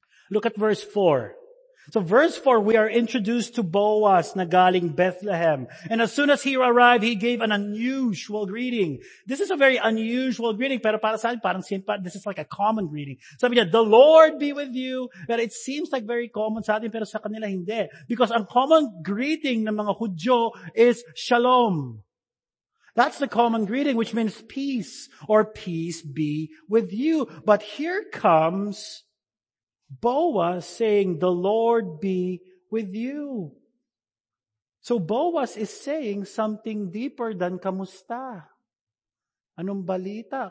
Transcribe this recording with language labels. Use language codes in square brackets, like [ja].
[en] Look at verse 4. So verse 4, we are introduced to Boaz [tl] na galing Bethlehem. [en] And as soon as he arrived, he gave an unusual greeting. This is a very unusual greeting, [tl] pero para sa akin, parang simpa, [en] this is like a common greeting. [tl] Sabi niya, [en] the Lord be with you. [tl] Pero [en] it seems like very common [tl] sa atin, pero sa kanila hindi. Because ang common greeting ng mga Hudyo is shalom. [en] That's the common greeting, which means peace or peace be with you. But here comes Boaz saying, the Lord be with you. So Boaz is saying something deeper than [tl] kamusta. Anong balita?